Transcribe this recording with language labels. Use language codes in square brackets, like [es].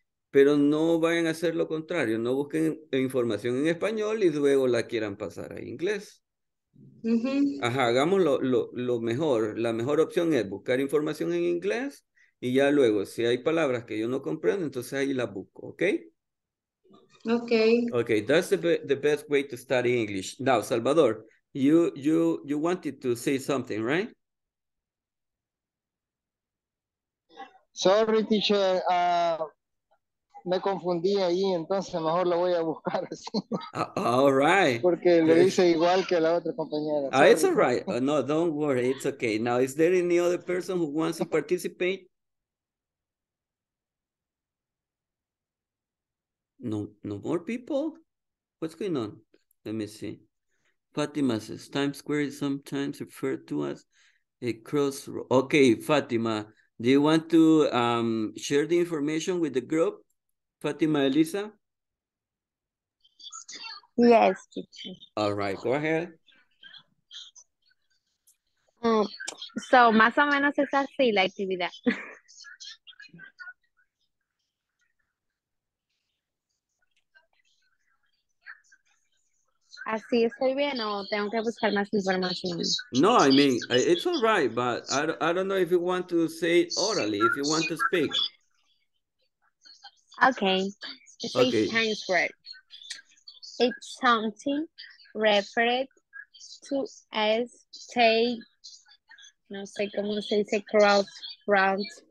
[es] Pero no vayan a hacer lo contrario, no busquen información en español y luego la quieran pasar a inglés. Uh-huh. Ajá, hagamos lo mejor, la mejor opción es buscar información en inglés y ya luego, si hay palabras que yo no comprendo, entonces ahí la busco, ¿ok? Ok. [en] Ok, that's the best way to study English. Now, Salvador, you wanted to say something, right? Sorry, teacher, [es] me confundí ahí, entonces mejor lo voy a buscar. [en] All right. [es] Porque lo hice igual que la otra compañera. [en] Ah, it's all right. No, don't worry, it's okay. Now, is there any other person who wants to participate? No more people? What's going on? Let me see. Fatima says, Times Square is sometimes referred to as a crossroad. Okay, Fatima. Do you want to share the information with the group, Fatima Elisa? Yes. All right, go ahead. [es] So, más o menos es así la actividad. ¿Así estoy bien o tengo que buscar más información? [en] No, I mean, it's all right, but I don't know if you want to say it orally, if you want to speak. Okay. It's okay. It's something referred to as take, [es] no sé cómo se dice, [en] crossroad.